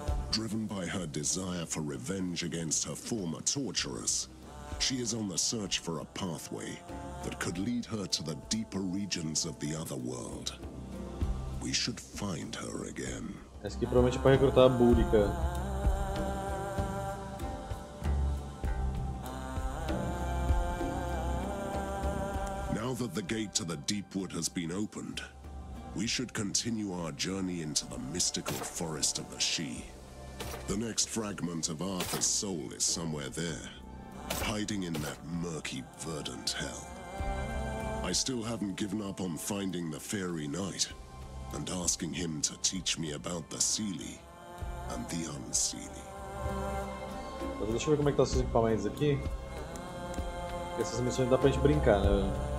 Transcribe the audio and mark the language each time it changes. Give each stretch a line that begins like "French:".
English: Driven by her desire for revenge against her former torturers, she is on the search for a pathway that could lead her to the deeper regions of the other world. We should find her again.
Portuguese: Acho que provavelmente é para recrutar a Búrica.
English: Now that the gate to the Deepwood has been opened, we should continue our journey into the mystical forest of the Shi. The next fragment of Arthur's soul is somewhere there, hiding in that murky, verdant hell. I still haven't given up on finding the fairy knight and asking him to teach me about the Seelie and the Unseelie.
Portuguese: Deixa eu ver como é que tá os seus equipamentos aqui. Essas missões dá pra gente brincar, né?